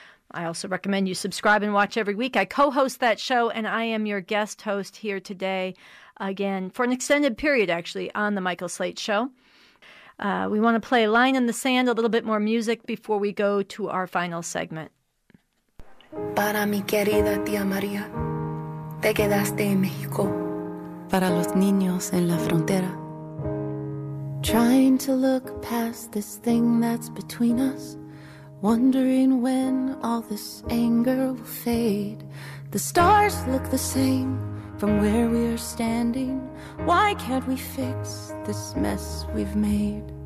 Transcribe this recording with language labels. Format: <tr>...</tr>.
<en>I also recommend you subscribe and watch every week. I co-host that show, and I am your guest host here today, again, for an extended period, actually, on the Michael Slate Show. We want to play Line in the Sand, a little bit more music, before we go to our final segment.</en> <es>Para mi querida tía María, te quedaste en México. Para los niños en la frontera.</es> <en>Trying to look past this thing that's between us. Wondering when all this anger will fade. The stars look the same from where we are standing. Why can't we fix this mess we've made?</en>